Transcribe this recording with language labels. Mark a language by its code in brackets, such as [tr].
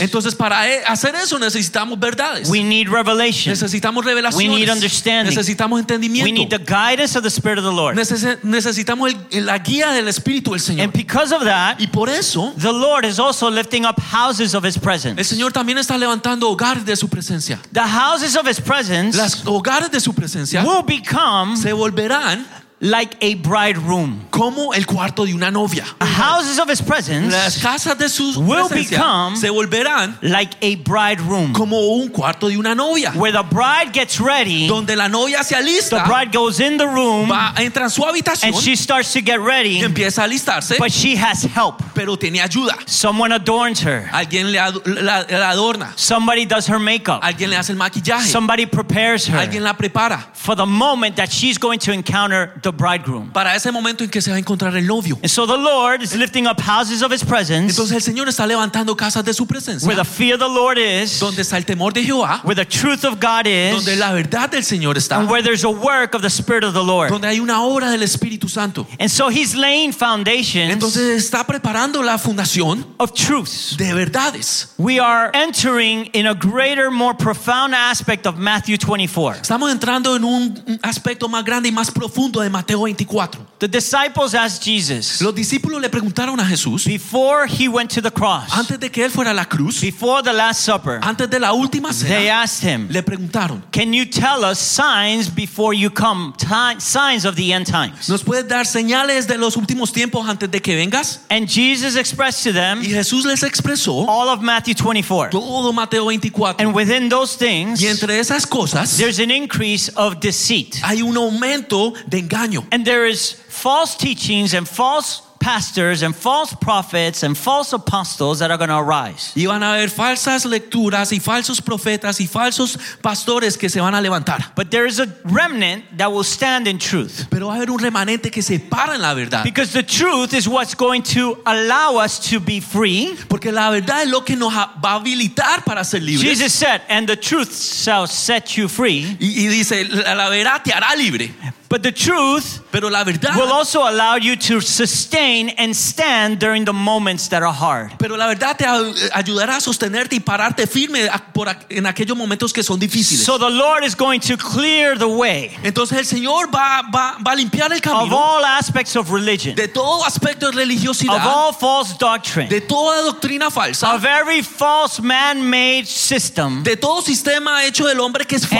[es] Entonces para hacer eso necesitamos verdades. [en] We need revelation. [es] Necesitamos revelaciones. [en] We need understanding. [es] Necesitamos entendimiento. [en] We need the guidance of the Spirit of the Lord. [es] Necesitamos la guía del Espíritu del Señor. [en] And because of that, [es] y por eso, [en] the Lord is also lifting up houses of his presence. [es] El Señor también está levantando hogares de su presencia. [en] The houses of his presence, [es] las hogares de su presencia, [en] will become, [es] se volverán, [en] like a bridegroom, [es] como el cuarto de una novia. [en] The houses of his presence, [es] las casas de sus [en] will become, [es] se volverán, [en] like a bridegroom, [es] como un cuarto de una novia. [en] Where the bride gets ready, [es] donde la novia se alista, [en] the bride goes in the room, [es] va, entra en su habitación, [en] and she starts to get ready, [es] y empieza a alistarse, [en] but she has help, [es] pero tiene ayuda. [en] Someone adorns her, [es] alguien la adorna. [en] Somebody does her makeup, [es] alguien le hace el maquillaje. [en] Somebody prepares her, [es] alguien la prepara, [en] for the moment that she's going to encounter the bridegroom. [es] Para ese momento en que se va a encontrar el novio. [en] And so the Lord is lifting up houses of his presence. [es] Entonces el Señor está levantando casas de su presencia. [en] Where the fear of the Lord is. [es] Donde está el temor de Jehová. [en] Where the truth of God is. [es] Donde la verdad del Señor está. [en] And where there's a work of the Spirit of the Lord. [es] Donde hay una obra del Espíritu Santo. [en] And so he's laying foundations. [es] Entonces está preparando la fundación [en] of truths. [es] De verdades. [en] We are entering in a greater, more profound aspect of Matthew 24. [es] Estamos entrando en un aspecto más grande y más profundo de Mateo 24. [en] The disciples asked Jesus. [es] Los discípulos le preguntaron a Jesús. [en] Before he went to the cross. [es] Antes de que él fuera a la cruz. [en] Before the last supper. [es] Antes de la última cena. [en] They asked him. [es] Le preguntaron. [en] Can you tell us signs before you come? Signs of the end times. [es] ¿Nos puedes dar señales de los últimos tiempos antes de que vengas? [en] And Jesus expressed to them. [es] Y Jesús les expresó. [en] All of Matthew 24. [es] Todo Mateo 24. [en] And within those things. [es] Y entre esas cosas. [en] There's an increase of deceit. [es] Hay un aumento de engaño. [en] And there is false teachings and false pastors and false prophets and false apostles that are going to arise. [es] Y van a haber falsas lecturas y falsos profetas y falsos pastores que se van a levantar. [en] But there is a remnant that will stand in truth. [es] Pero va a haber un remanente que se para en la verdad. [en] Because the truth is what's going to allow us to be free. [es] Porque la verdad es lo que nos va a habilitar para ser libres. [en] Jesus said, and the truth shall set you free. [es] Y dice, la verdad te hará libre. [en] But the truth, [es] pero la verdad, [en] will also allow you to sustain and stand during the moments that are hard. [es] Pero la verdad te ayudará a sostenerte y pararte firme en aquellos momentos que son difíciles. [en] So the Lord is going to clear the way. [es] Entonces el Señor va a limpiar el camino. [en] Of all aspects of religion. [es] De todo aspecto de religiosidad. [en] Of all false doctrine. [es] De toda doctrina falsa. [en] Of every false man-made system. [es] De todo sistema hecho del hombre que es falso.